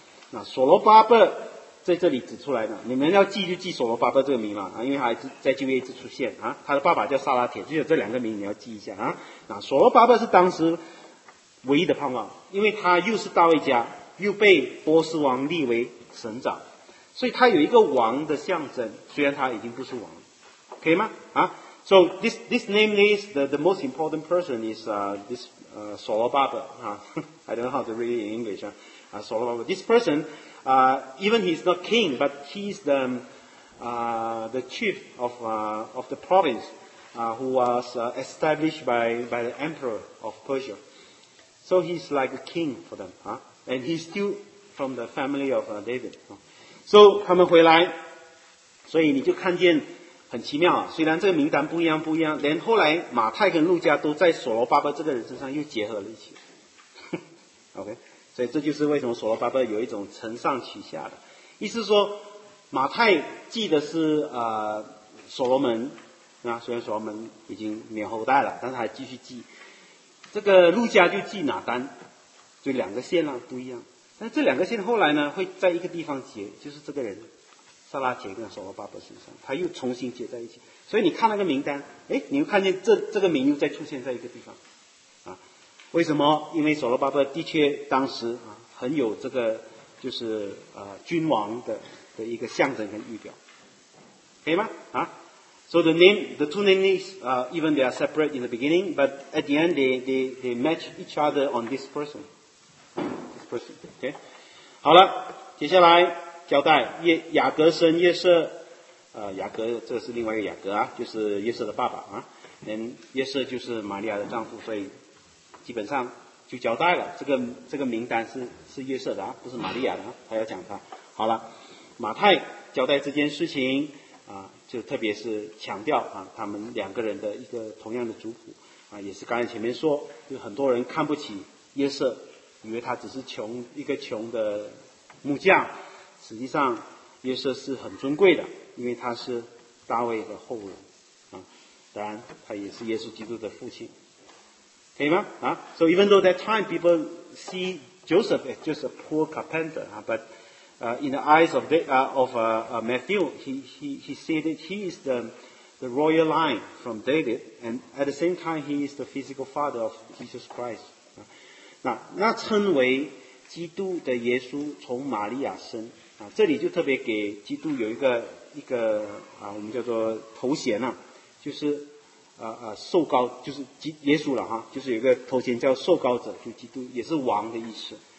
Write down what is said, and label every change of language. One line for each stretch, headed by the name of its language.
Chinese: 那所罗巴伯在这里指出来的，你们要记就记所罗巴伯这个名了啊，因为他在旧约一直出现啊，他的爸爸叫撒拉铁，就有这两个名你要记一下啊。那所罗巴伯是当时唯一的盼望，因为他又是大卫家，又被波斯王立为省长，所以他有一个王的象征，虽然他已经不是王了，可以吗？
English: 啊 ，So this name is the most important person is this Sorobaba, I don't know how to read it in English, Sorobaba. This person, even he's not king, but he's the chief of the province, who was established by the emperor of Persia. So he's like a king for them, and he's still from the family of David.
Chinese: So 他们回来，所以你就看见很奇妙啊。虽然这个名单不一样，不一样，连后来马太跟路加都在所罗巴伯这个人身上又结合了一起。 OK, 所以这就是为什么所罗巴伯有一种承上启下的意思，说马太记得是所罗门，那虽然所罗门已经免后代了，但是还继续记。这个路加就记哪单，就两个线啊不一样。但这两个线后来呢会在一个地方结，就是这个人撒拉结跟所罗巴伯身上，他又重新结在一起。所以你看那个名单，诶，你会看见这个名又再出现在一个地方。啊，为什么？因为所罗巴伯的确当时啊很有这个就是君王的一个象征跟预表。可以吗？啊。
English: So the two names, even they are separate in the beginning, but at the end they match each other on this person. This person, okay?
Chinese: 好了，接下来交代雅各生约瑟，雅各这是另外一个雅各啊，就是约瑟的爸爸啊，连约瑟就是玛利亚的丈夫，所以基本上就交代了，这个名单是约瑟的啊，不是玛利亚的啊，他要讲他。好了，马太交代这件事情啊。就特别是强调啊，他们两个人的一个同样的族谱啊，也是刚才前面说，就很多人看不起约瑟，以为他只是一个穷的木匠，实际上约瑟是很尊贵的，因为他是大卫的后人啊，当然他也是耶稣基督的父亲，可以吗？
English: 啊 ，So even though that time people see Joseph as just a poor carpenter, but in the eyes of Matthew, he said that he is the royal line from David, and at the same time he is the physical father of Jesus Christ.
Chinese: 那称为基督的耶稣从玛利亚生啊，这里就特别给基督有一个我们叫做头衔啊，就是受膏，就是耶稣了哈，就是有一个头衔叫受膏者，就基督也是王的意思。